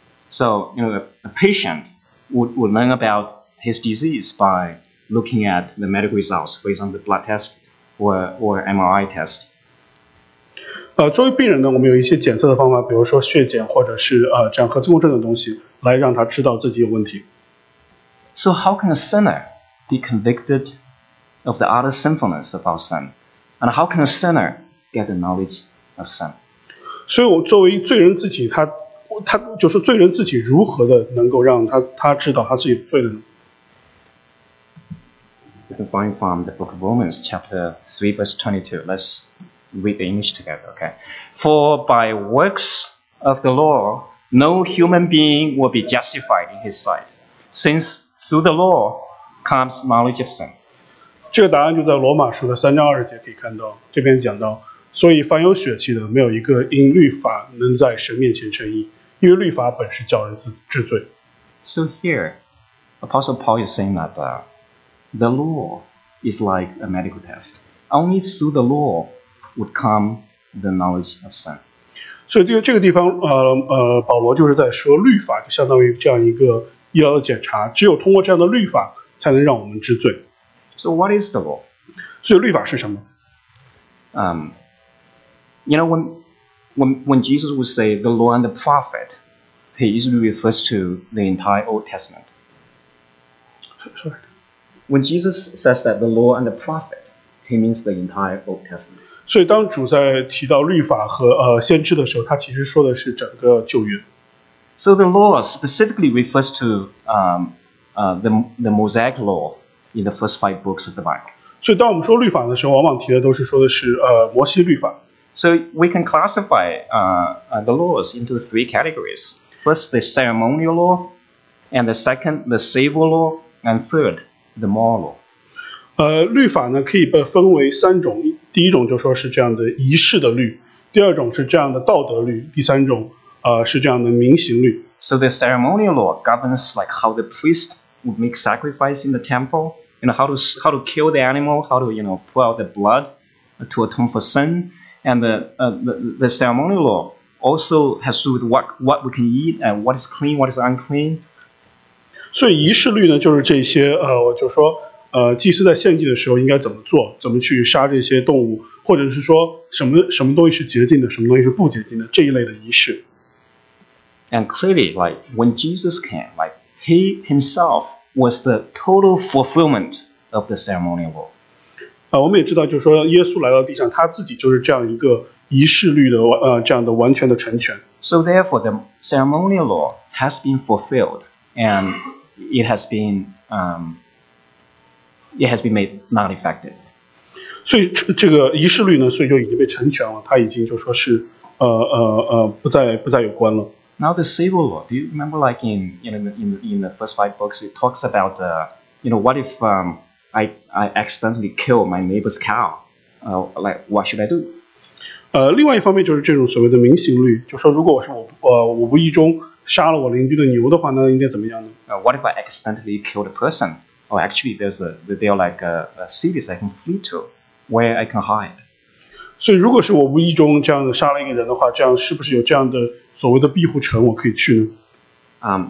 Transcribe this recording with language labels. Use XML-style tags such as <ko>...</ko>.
<en>So you know, a patient would learn about his disease by looking at the medical results, for example, blood test or MRI test.</en> <zh>作为病人呢，我们有一些检测的方法，比如说血检或者是这样核磁共振的东西，来让他知道自己有问题。</zh> <en>So how can a sinner be convicted of the utter sinfulness of our sin? And how can a sinner get the knowledge of sin?</en> <zh>所以我作为罪人自己，他就是罪人自己如何的能够让他知道他自己罪的呢？</zh> <en>You can find from the book of Romans chapter 3 verse 22. Let's read the English together, okay? For by works of the law, no human being will be justified in his sight, since through the law comes knowledge of sin.</en> <zh>这个答案就在罗马书的三章二十节可以看到，这边讲到，所以凡有血气的，没有一个因律法能在神面前称义，因为律法本是叫人治罪。</zh> <en>So here, Apostle Paul is saying that the law is like a medical test. Only through the law would come the knowledge of sin.</en> <zh>所以这个地方，保罗就是在说，律法就相当于这样一个医疗的检查，只有通过这样的律法，才能让我们治罪。</zh> <en>So what is the law?</en> <zh>所以律法是什么？</zh> <en>You know, when Jesus would say the law and the prophet, he usually refers to the entire Old Testament. Sorry. When Jesus says that the law and the prophet, he means the entire Old Testament.</en> <zh>所以当主在提到律法和先知的时候，他其实说的是整个旧约。</zh> <en>So the law specifically refers to the Mosaic law in the first five books of the Bible.</en> <zh>所以当我们说律法的时候，往往提的都是说的是摩西律法。</zh> <en>So we can classify the laws into three categories. First, the ceremonial law, and the second, the civil law, and third, the moral law.</en> <zh>律法呢可以被分为三种。第一种就说是这样的仪式的律，第二种是这样的道德律，第三种是这样的民刑律。</zh> <en>So the ceremonial law governs like how the priest would make sacrifice in the temple, you know, how to kill the animal, how to, you know, pour out the blood to atone for sin. And the ceremonial law also has to do with what we can eat and what is clean, what is unclean.</en> <zh>所以仪式律呢，就是这些我就说祭司在献祭的时候应该怎么做，怎么去杀这些动物，或者是说什么东西是洁净的，什么东西是不洁净的，这一类的仪式。</zh> <en>And clearly, like when Jesus came, like he himself was the total fulfillment of the ceremonial law.</en> <zh>我们也知道，就是说耶稣来到地上，他自己就是这样一个仪式律的这样的完全的成全。</zh> <en>So therefore, the ceremonial law has been fulfilled. And it has been made not effective.</en> <zh>所以这个仪式律呢，所以就已经被成全了，它已经就说是不再有关了。</zh> <en>Now the civil law, do you remember like in the first five books, it talks about what if I accidentally kill my neighbor's cow? Like what should I do?</en> <zh>另外一方面就是这种所谓的民刑律，就说如果我无意中杀了我邻居的牛的话，那应该怎么样呢？</zh> <en>What if I accidentally killed a person? Or actually, there are like a cities I can flee to, where I can hide.</en> <zh>所以，如果是我无意中这样杀了一个人的话，这样是不是有这样的所谓的庇护城我可以去呢？</zh>